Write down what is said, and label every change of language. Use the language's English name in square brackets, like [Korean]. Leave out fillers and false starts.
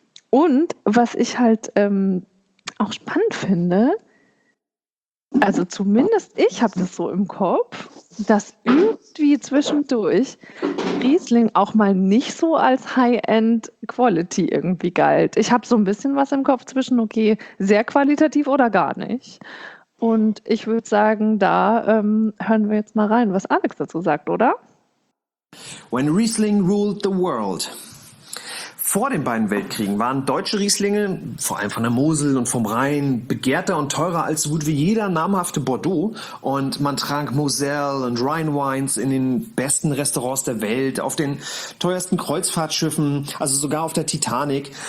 [German] Und was ich halt auch spannend finde, also zumindest ich habe das so im Kopf, dass irgendwie zwischendurch Riesling auch mal nicht so als High-End-Quality irgendwie galt. Ich habe so ein bisschen was im Kopf zwischen, okay, sehr qualitativ oder gar nicht. Und ich würde sagen, da hören wir jetzt mal rein, was Alex dazu sagt, oder? [English] When Riesling ruled the world. [German] Vor den beiden Weltkriegen waren deutsche Rieslinge, vor allem von der Mosel und vom Rhein, begehrter und teurer als gut wie jeder namhafte Bordeaux. Und man trank Moselle und Rhine Wines in den besten Restaurants der Welt, auf den teuersten Kreuzfahrtschiffen, also sogar auf der Titanic.